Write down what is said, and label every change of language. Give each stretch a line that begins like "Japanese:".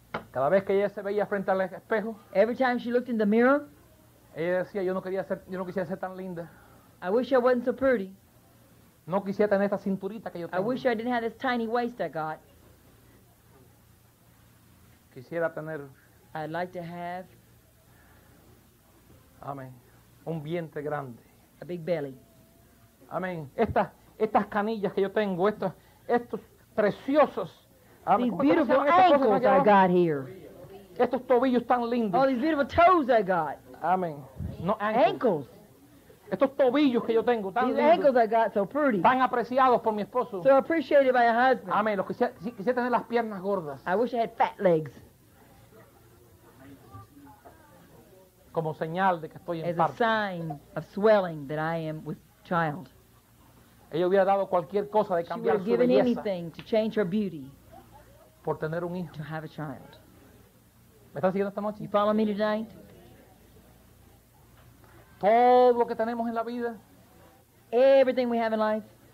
Spanish: Cada vez que ella se veía frente al espejo.
English: Every time she looked in the mirror.
Spanish: Ella decía, yo no quisiera ser tan linda.
English: I wish I wasn't so pretty.
Spanish: No quisiera tener esta cinturita que yo tengo.
English: I wish I didn't have this tiny waist I got.
Spanish: Quisiera tener.
English: I'd like to have.
Spanish: Amén. Un vientre grande.
English: A big belly.
Spanish: Amén. Estas canillas que yo tengo, estos preciosos.
English: These beautiful ankles I got here.
Spanish: Estos tobillos tan lindos.
English: All these beautiful toes I got. Amén. No ankles. Ankles.
Spanish: Estos tobillos que yo tengo tan lindos.
English: These ankles I got so pretty.
Spanish: Tan apreciados por mi esposo.
English: So appreciated by a husband.
Spanish: Amén. Los quisiera tener las piernas gordas.
English: I wish I had fat legs.
Spanish: Como señal de que estoy en parto.
English: As a sign of swelling that I am with child.
Spanish: Ella hubiera dado cualquier cosa de cambiar su belleza.
English: Anything to change her beauty.
Spanish: Por tener un hijo.
English: To have a child.
Spanish: ¿Me estás siguiendo esta noche?
English: You follow me tonight?
Spanish: Todo lo que tenemos en la vida.
English: Everything we have in life.